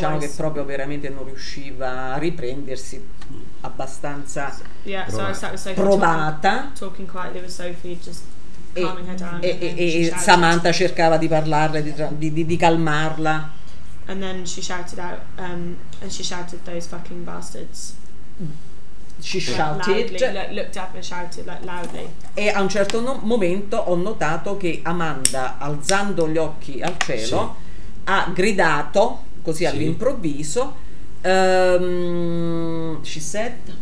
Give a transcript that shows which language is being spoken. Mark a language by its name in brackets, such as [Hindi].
[Italian] diciamo, che proprio veramente non riusciva a riprendersi, abbastanza provata. [English] Talking quietly with Sophie, just calming her down. [Italian] E Samantha cercava di parlarle, di calmarla. [English] And then she shouted out, and she shouted those fucking bastards. She shouted, loudly, looked up and shouted, like, loudly. [Italian] E a un certo momento ho notato che Amanda, alzando gli occhi al cielo, ha gridato così all'improvviso, [English] she said